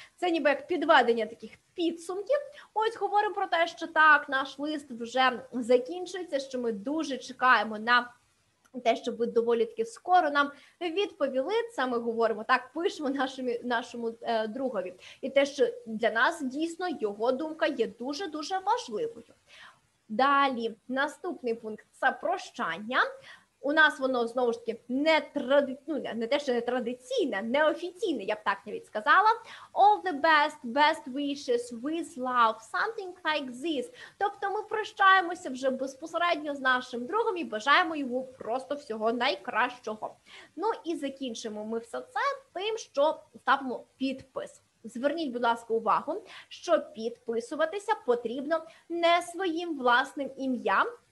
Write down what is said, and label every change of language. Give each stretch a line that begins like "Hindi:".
Ukrainian: Це ніби як підведення таких підсумків. Ось говоримо про те, що так, наш лист вже закінчується, що ми дуже чекаємо на те, щоб ви доволі таки скоро нам відповіли, це ми говоримо, так, пишемо нашому другові. І те, що для нас дійсно його думка є дуже-дуже важливою. Далі, наступний пункт – це прощання. У нас воно, знову ж таки, не традиційне, неофіційне, я б так навіть сказала.
English: All the best, best wishes, with love, something like this.
Ukrainian: Тобто ми прощаємося вже безпосередньо з нашим другом і бажаємо йому просто всього найкращого. Ну і закінчимо ми все це тим, що ставимо підпис. Зверніть, будь ласка, увагу, що підписуватися потрібно не своїм власним ім'ям,